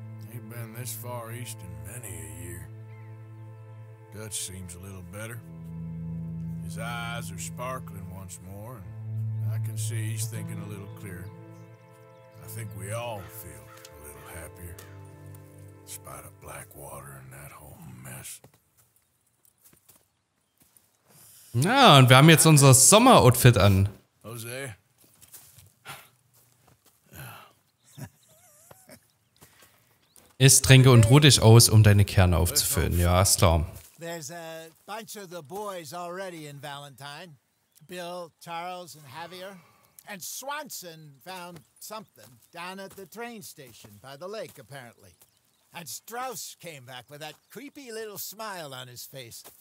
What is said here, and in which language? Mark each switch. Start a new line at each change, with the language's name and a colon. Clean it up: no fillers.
English: Ain't been this far east in many a year. Dutch seems a little better. His eyes are sparkling once more, and I can see he's thinking a little clearer. I think we all feel a little happier, in spite of Blackwater and that whole mess.
German: Na, ja, und wir haben jetzt unser Sommeroutfit an. Jose. Iss, trinke und ruh dich aus, um deine Kerne aufzufüllen. Ja, ist klar.
English: There's a bunch of the boys already in Valentine. Bill, Charles and Javier. And Swanson found something down at the train station by the lake, apparently. And Strauss came back with that creepy little smile on his face.